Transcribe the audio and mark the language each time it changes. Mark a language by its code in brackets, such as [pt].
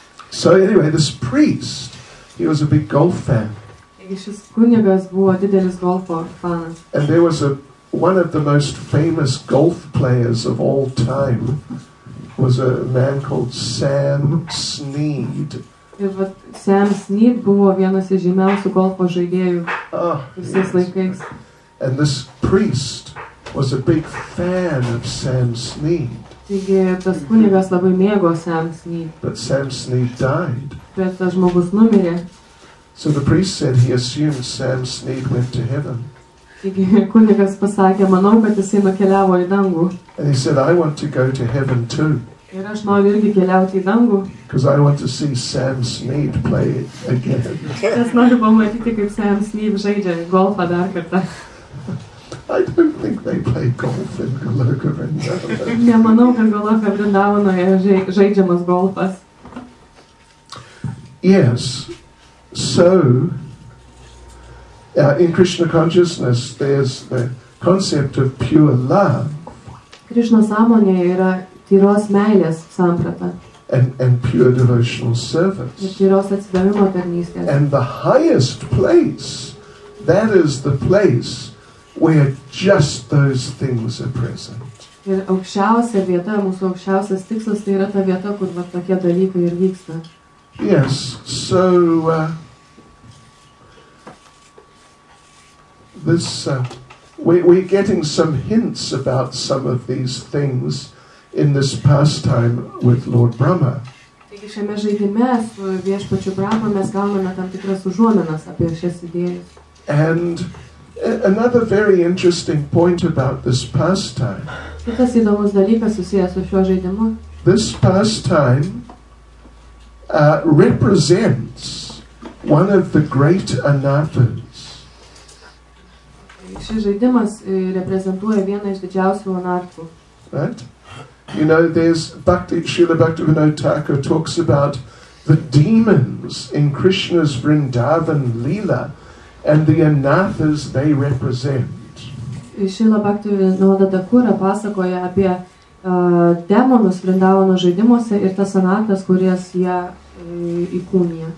[en] So anyway, this priest, he was a big golf fan. [lt] Šis kunigas buvo didelis golfo fanas. [en] And there was one of the most famous golf players of all time was a man called Sam Snead. [lt] Ir vat Sam Snead buvo vienas iš žymiausių golfo žaidėjų visais laikais. [en] And this priest was a big fan of Sam Snead. [lt] Taigi tas kunigas labai mėgo Sam Snead. [en] But Sam Snead died. [lt] Bet tas žmogus numirė. [en] So the priest said he assumed Sam Snead went to heaven. [lt] Kunigas pasakė, manau, kad jisai nukeliavo į dangų. [en] And he said, I want to go to heaven too. [lt] Ir aš noriu irgi keliauti į dangų. [en] Because I want to see Sam Snead play again. [lt] Aš noriu pamatyti, kaip Sam Snead žaidžia golfą dar kartą. [en] I don't think they play golf in Goloka Vrindavan. [lt] Nemanau, kad Goloka Vrindavanoje žaidžiamas golfas. [en] Yes. So, in Krishna consciousness, there's the concept of pure love. [lt] Krishna sąmonėje yra tyros meilės samprata. [en] And pure devotional service. [lt] Ir tyros atsidavimo tarnystės. [en] And the highest place, that is the place where just those things are present. [lt] Ir aukščiausia vieta, mūsų aukščiausias tikslas, tai yra ta vieta, kur va tokie dalykai ir vyksta. [en] Yes, so we're getting some hints about some of these things in this pastime with Lord Brahma. [lt] Taigi šiame žaidime su viešpačiu Brahma mes gauname tam tikras užuominas apie šias idėjas. [en] And another very interesting point about this pastime. [lt] Kitas įdomus dalykas susijęs su šiuo žaidimu. [en] This pastime represents one of the great anathas. [lt] Šis žaidimas reprezentuoja vieną iš didžiausių anarchų. [en] Right? You know, there's Srila Bhaktivinoda Thakur talks about the demons in Krishna's Vrindavan Leela and the anathas they represent. [lt] Srila Bhaktivinoda Thakur pasakoja apie demonus Vrindavano žaidimuose ir tas anathas, kurias jie įkūnija.